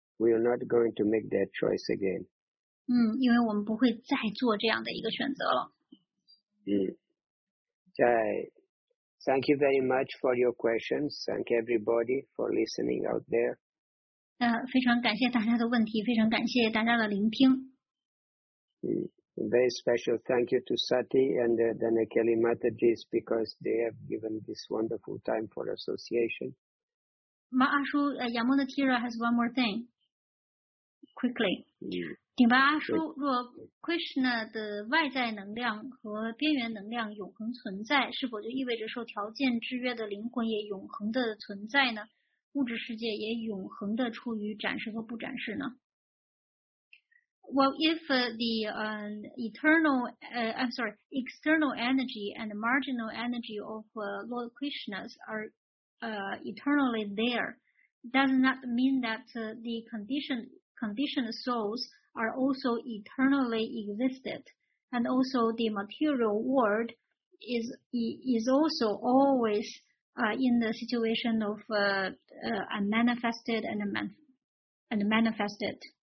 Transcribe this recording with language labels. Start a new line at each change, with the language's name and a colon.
English: We are not going to make that choice again.
Chinese: 因为我们不会再做这样的一个选择了。
English: Thank you very much for your questions. Thank everybody for listening out there.
Chinese: 非常感谢大家的问题，非常感谢大家的聆听。
English: Very special thank you to Sati and Dhanakeli Matajis because they have given this wonderful time for association. Ma Ashu, Yamuna Tira has one more thing. Quickly.
Chinese: 顶巴阿叔，若 Krishna 的外在能量和边缘能量永恒存在，是否就意味着受条件制约的灵魂也永恒的存在呢？物质世界也永恒的处于展示和不展示呢？
English: Well, if the external energy and the marginal energy of Lord Krishna are eternally there, does not mean that the conditioned soulsare also eternally existed, and also the material world is also always in the situation of unmanifested and manifested.